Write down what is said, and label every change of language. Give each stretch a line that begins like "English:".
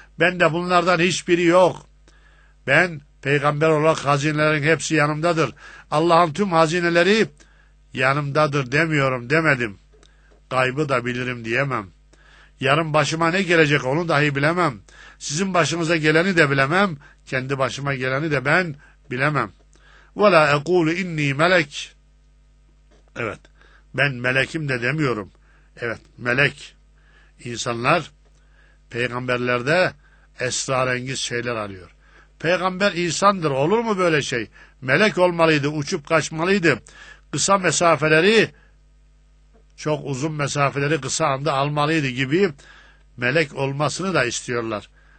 Turkish: Ben de bunlardan hiçbiri yok. Ben peygamber olarak hazinelerin hepsi yanımdadır. Allah'ın tüm hazineleri yanımdadır demiyorum, demedim. Gaybı da bilirim diyemem. Yarın başıma ne gelecek onu dahi bilemem. Sizin başınıza geleni de bilemem. Kendi başıma geleni de ben bilemem.
Arabic: وَلَا اَقُولُ اِنِّي melek.
Turkish: Evet, ben melekim de demiyorum. Evet, melek. İnsanlar peygamberlerde esrarengiz şeyler arıyor. Peygamber insandır, olur mu böyle şey? Melek olmalıydı, uçup kaçmalıydı. Kısa mesafeleri, çok uzun mesafeleri kısa anda almalıydı gibi melek olmasını da istiyorlar.